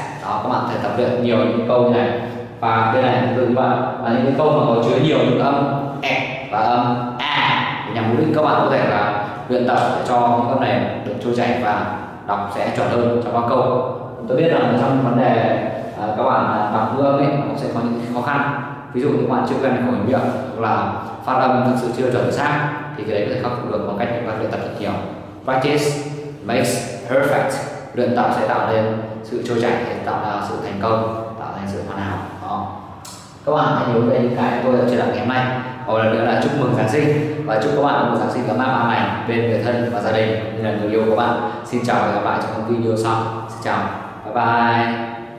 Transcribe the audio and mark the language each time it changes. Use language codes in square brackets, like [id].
[vi] Đó, các bạn thể tập luyện nhiều những câu như này. Và bên này từ và những cái câu mà có chứa nhiều những âm e và âm a nhằm mục đích các bạn có thể là luyện tập để cho những âm này được trôi chảy và đọc sẽ chuẩn hơn trong các câu. Tôi biết là trong vấn đề các bạn đọc ngữ âm ấy cũng sẽ có những khó khăn, ví dụ như các bạn chưa quen với ngôn miệng hoặc là phát âm thực sự chưa chuẩn xác, thì cái đấy có thể khắc phục được bằng cách chúng ta luyện tập thật nhiều. [en] Practice makes perfect. [vi] Luyện tập sẽ tạo nên sự trôi chảy, tạo ra sự thành công, tạo thành sự hoàn hảo. Đó. Các bạn hãy nhớ về những cái tôi đã chia sẻ ngày hôm nay. Một lần nữa là chúc mừng Giáng sinh và chúc các bạn một Giáng sinh ấm áp an lành bên người thân và gia đình như là người yêu của bạn. Xin chào và hẹn gặp lại trong những video sau. Xin chào. Bye-bye.